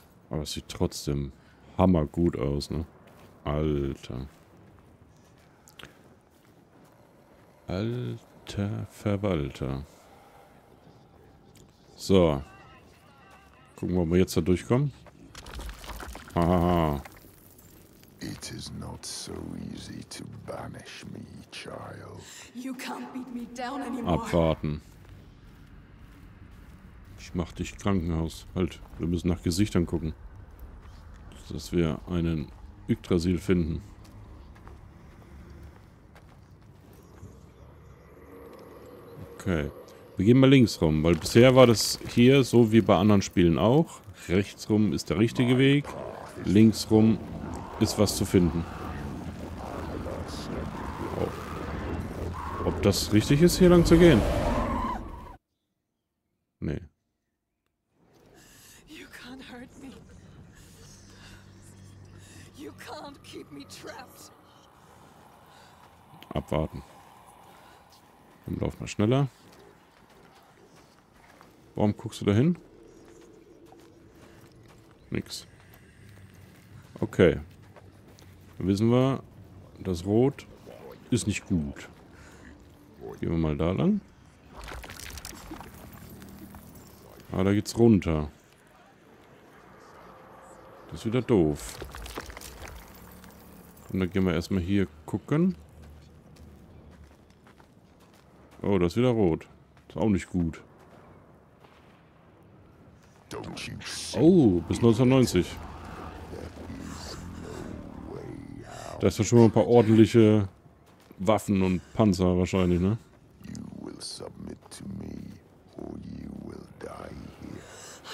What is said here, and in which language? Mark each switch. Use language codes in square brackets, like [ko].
[de] Aber es sieht trotzdem hammergut aus, ne? Alter. Alter Verwalter. So. Gucken wir, ob wir jetzt da durchkommen. [en] It is not so easy to banish me, child. You can't beat me down anymore. [de] Abwarten. Ich mach dich Krankenhaus. Halt, wir müssen nach Gesichtern gucken. Dass wir einen Yggdrasil finden. Okay. Wir gehen mal links rum, weil bisher war das hier so wie bei anderen Spielen auch. Rechts rum ist der richtige Weg. Links rum ist was zu finden. Oh. Ob das richtig ist, hier lang zu gehen? Nee. [en] You can't hurt me. You can't keep me trapped. [de] Abwarten. Dann lauf mal schneller. Warum guckst du da hin? Nix. Okay. Da wissen wir, das Rot ist nicht gut. Gehen wir mal da lang. Ah, da geht's runter. Das ist wieder doof. Und dann gehen wir erstmal hier gucken. Oh, das ist wieder rot. Das ist auch nicht gut. Oh, bis 1990. Da ist ja schon mal ein paar ordentliche Waffen und Panzer wahrscheinlich, ne? [en] You will submit to me, or you will die here.